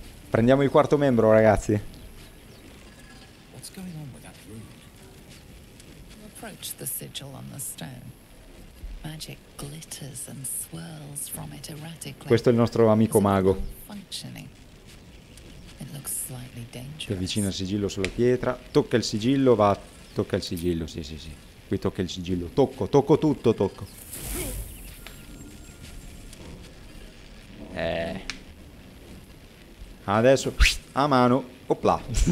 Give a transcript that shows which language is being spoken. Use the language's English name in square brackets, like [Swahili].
[Italian] Prendiamo il quarto membro, ragazzi. [English] Approach the sigil on the stone. Magic glitters and swirls from it erratically. [Italian] Questo è il nostro amico mago. [English] It looks slightly dangerous. [Italian] Si avvicina il sigillo sulla pietra. Tocca il sigillo, va. Tocca il sigillo, sì. Qui tocca il sigillo. Tocco tutto. Adesso, a mano. Opla.